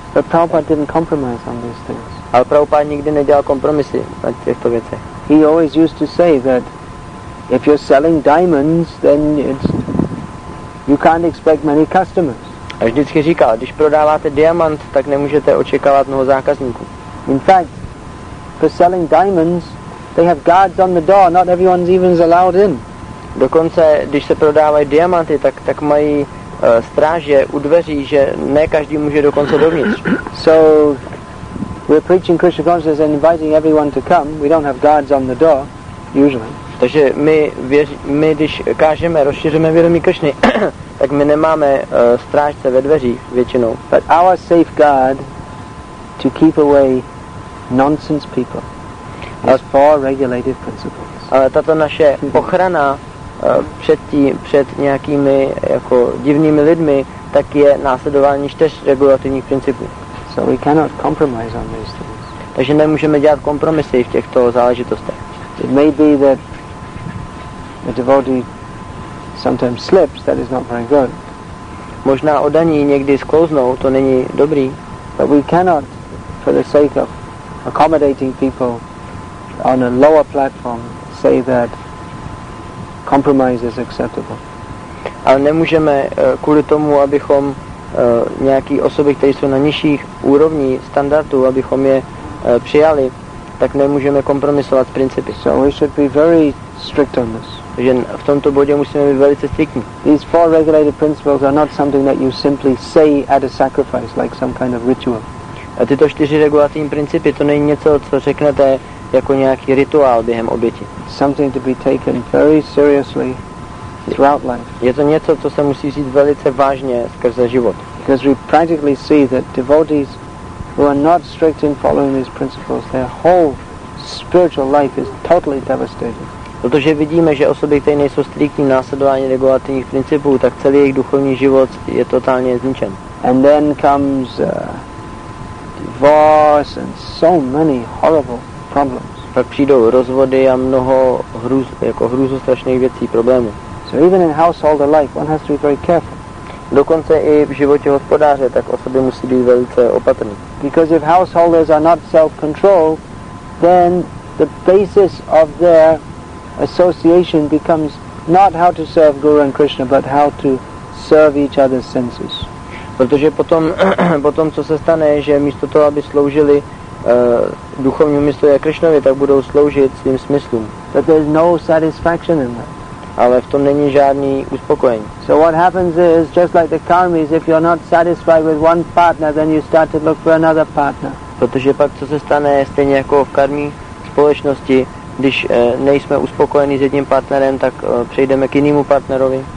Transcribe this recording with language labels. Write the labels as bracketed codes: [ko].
[en] But Prabhupada didn't compromise on these things. [cs] Ale Prabhupada nikdy nedělal kompromisy na těchto věcech. [en] He always used to say that if you're selling diamonds, then you can't expect many customers. [cs] A vždycky říkal, když prodáváte diamant, tak nemůžete očekávat mnoho zákazníků. [en] In fact, for selling diamonds, they have guards on the door, not everyone's even allowed in. [cs] Dokonce, když se prodávají diamanty, tak mají stráže u dveří, že ne každý může dokonce dovnitř. [en] So we're preaching Krishna consciousness and inviting everyone to come. We don't have guards on the door, usually. [cs] Takže my když kážeme, rozšíříme vědomí Krišny, tak my nemáme strážce ve dveřích většinou. [en] But our safeguard to keep away nonsense people is four regulative principles. [cs] Ale tato naše ochrana před nějakými jako divnými lidmi, tak je následování 4 regulativních principů. [en] So we cannot compromise on these things. [cs] Takže nemůžeme dělat kompromisy v těchto záležitostech. [en] It may be that a devotee sometimes slips, that is not very good. [cs] Možná oddaní někdy sklouznou, to není dobrý. [en] But we cannot, for the sake of accommodating people on a lower platform, say that compromise is acceptable. [cs] Ale nemůžeme kvůli tomu, abychom nějaký osoby, které jsou na nižších úrovni standardu, abychom je přijali, tak nemůžeme kompromisovat s principy. [en] So we should be very strict on this. [cs] Že v tomto bodě musíme být velice striktní. [en] These four regulated principles are not something that you simply say at a sacrifice, like some kind of ritual. [cs] A tyto 4 regulativní principy, to není něco, co řeknete jako nějaký rituál během oběti. [en] Something to be taken very seriously throughout life. [cs] Je to něco, co se musí říct velice vážně skrze život. [en] Because we practically see that devotees who are not strict in following these principles, their whole spiritual life is totally devastated. [cs] Protože vidíme, že osoby, které nejsou striktní následování regulativních principů, tak celý jejich duchovní život je totálně zničen. [en] And then comes divorce and so many horrible problems. [cs] Pak přijdou rozvody a mnoho hrůzostrašných věcí, problémů. [en] So even in household life, one has to be very careful. [cs] Dokonce i v životě hospodáře, tak osoby musí být velice opatrné. [en] Because if householders are not self-controlled, then the basis of their association becomes not how to serve Guru and Krishna, but how to serve each other's senses. [cs] Protože potom, co se stane, že místo toho, aby sloužili duchovnímu mysli a Krishnovi, tak budou sloužit svým smyslům. [en] But there's no satisfaction in that. [cs] Ale v tom není žádný uspokojení. [en] So what happens is, just like the karmis, if you're not satisfied with one partner, then you start to look for another partner. [cs] Protože pak, co se stane, stejně jako v karmí společnosti, když nejsme uspokojeni s jedním partnerem, tak přejdeme k jinému partnerovi.